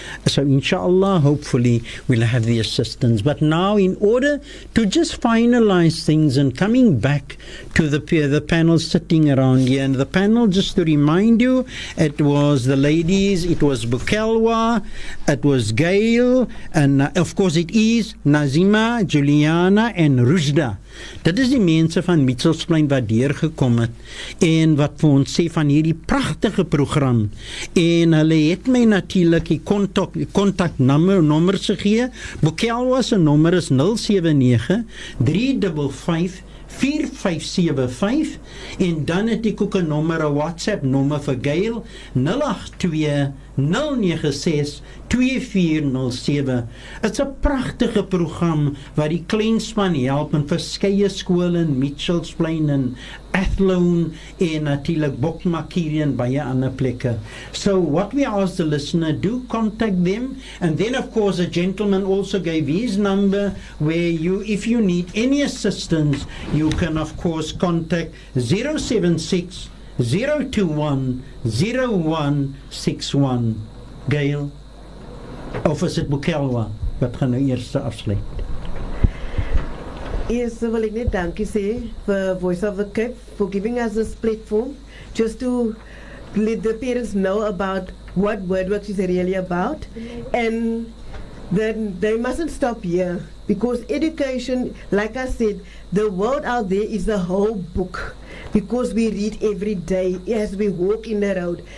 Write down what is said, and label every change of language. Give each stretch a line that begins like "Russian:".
English: So inshallah, hopefully we'll have the assistance. But now, in order to just finalize things and coming back to the panel sitting around here, and the panel, just to remind you, it was the ladies, it was Bukelwa, it was Gail, and of course it is Nazima, Juliana and Rujda.
Afrikaans: Dit is die mense van Mitchellsplein wat deur gekom het en wat vir ons sê van hierdie pragtige program. En hulle het my natuurlik die kontaknommer gegee. Bukelwa se nommer is 079-355-4575, en dan het ek ook 'n nommer, 'n WhatsApp nommer vir Gail, 082-096-2407.
English: It's a
Afrikaans: pragtige program waar die kleinspan help in verskeie skole in Mitchells Plain en Athlone en natuurlik Bokmakier en baie ander plekke.
English: So what we ask the listener, do contact them, and then of course a gentleman also gave his number where you, if you need any assistance, you can of course contact 076-021-0161.
Afrikaans: Gail, of is het Bukelwa, wat gaan nou eerst afsluit? Eerst wil ek net dankie sê vir
English: Voice of the Cape for giving us this platform just to let the parents know about what Wordworks is really about, and then they mustn't stop here, because education, like I said, the world out there is a whole book, because we read every day as we walk in the road.